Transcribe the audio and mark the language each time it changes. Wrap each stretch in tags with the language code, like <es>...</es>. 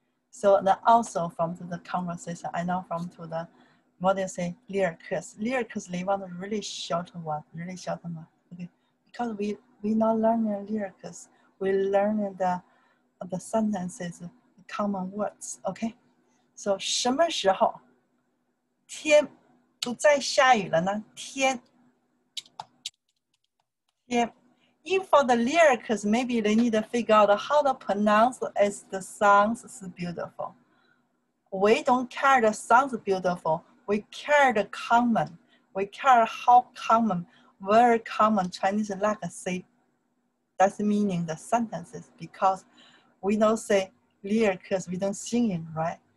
<en>So also from the conversation, I know from to the, what do you say, lyrics. Lyrics, they want a really short one, really short one, okay. Because we not learning lyrics, we learning the sentences, the common words, okay?</en> <zh>So, 什么时候天不再下雨了呢？</zh> <en>天 Even for the lyrics, maybe they need to figure out how to pronounce as the sounds is beautiful. We don't care the sounds beautiful, we care the common, we care how common, very common Chinese like say,That's meaning the sentences because we don't say lyrics, we don't sing it, right?</en>